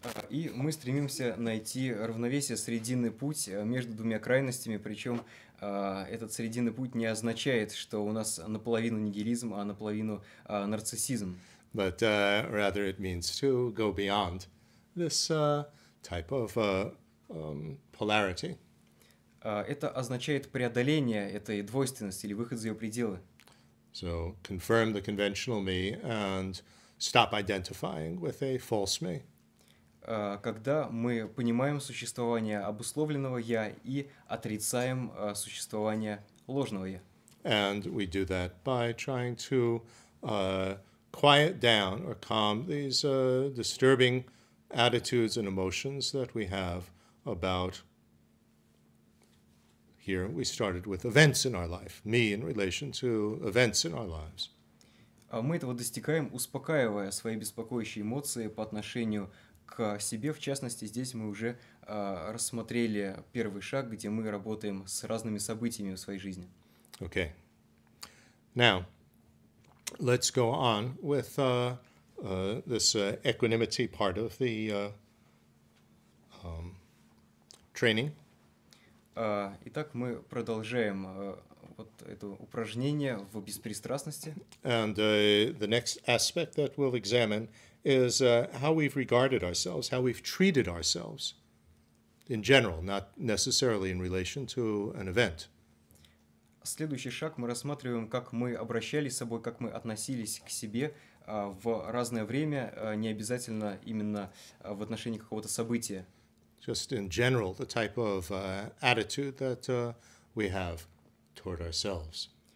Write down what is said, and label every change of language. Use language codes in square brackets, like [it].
[ru] И мы стремимся найти равновесие, срединный путь между двумя крайностями, причем этот срединный путь не означает, что у нас наполовину нигилизм, а наполовину нарциссизм. [en] But rather it means to go beyond this type of polarity. [ru] Это означает преодоление этой двойственности или выход за ее пределы. [en] So confirm the conventional me and stop identifying with a false me. [ru] Когда мы понимаем существование обусловленного «я» и отрицаем существование ложного «я». [en] And we do that by trying to quiet down or calm these disturbing attitudes and emotions that we have about, here we started with events in our life, me in relation to events in our lives. [ru] Мы этого достигаем, успокаивая свои беспокоящие эмоции по отношению к себе. В частности, здесь мы уже рассмотрели первый шаг, где мы работаем с разными событиями в своей жизни. [en] Okay. Now, let's go on with this equanimity part of the training. [ru] Итак, мы продолжаем вот это упражнение в беспристрастности. [en] And the next aspect that we'll examine is how we've regarded ourselves, how we've treated ourselves in general, not necessarily in relation to an event. [ru] Следующий шаг мы рассматриваем, как мы обращались с собой, как мы относились к себе в разное время, не обязательно именно в отношении какого-то события. [en] Just in general, the type of attitude that we have toward ourselves.